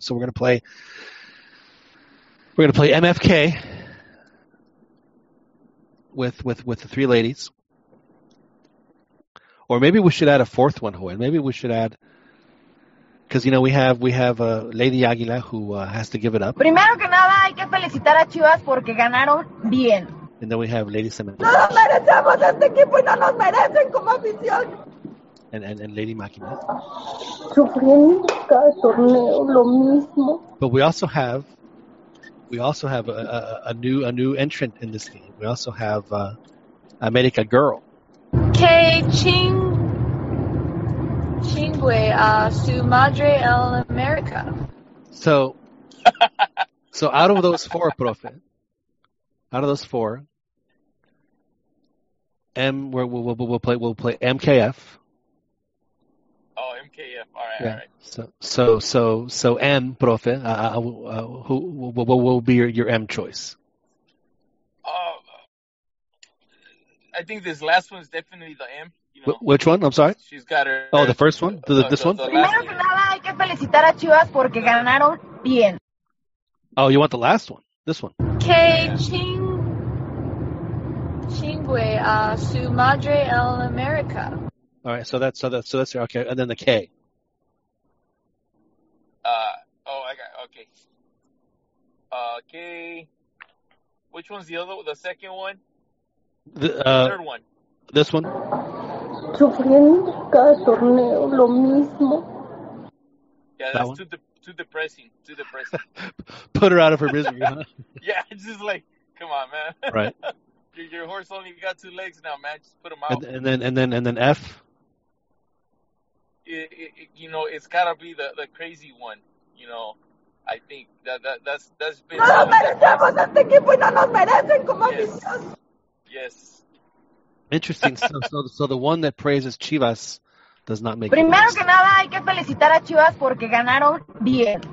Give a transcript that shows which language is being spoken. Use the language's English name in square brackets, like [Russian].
[English] So we're gonna play MFK with the three ladies. Or maybe we should add a fourth one, Joel. Maybe we should add, because you know we have a Lady Águila who has to give it up. [Spanish] Primero que nada, hay que felicitar a Chivas porque ganaron bien. [English] And then we have Lady Cementos. [Spanish] No merecemos este equipo y no nos merecen como afición. [English] And Lady Máquina. [Spanish] Sufriendo cada torneo lo mismo. [English] But we also have a new entrant in this game. We also have América Girl. [Spanish] Que chingue a su madre el América. [English] So out of those four, profe, out of those four, we'll play MKF. Oh, MKF. All right, yeah. All right. So M, profe, who will be your M choice? I think this last one is definitely the M. You know? Which one? I'm sorry? She's got her. Oh, the first one? This one? [Spanish] Primero que nada, hay que felicitar a Chivas porque ganaron bien. [English] Oh, you want the last one? This one. [Spanish] Que ching. Chingue a su madre el America. [English] All right, so that's your. Okay, and then the K. I got. Okay. K. Which one's the other one? The second one? The third one. This one. [Spanish] Sufriendo cada torneo lo mismo. [English] Yeah, that's too depressing. Too depressing. Put her out of her misery, huh? Yeah, it's just like, come on, man. Right. your horse only got two legs now, man. Just put them out. And then F. It, it's gotta be the crazy one. You know, I think that's been. [Spanish] No merecemos este equipo y no nos merecen como aficionados. [English] Yes. Interesting. So the one that praises Chivas does not make. [Spanish] Primero que nada, hay que felicitar a Chivas porque ganaron bien.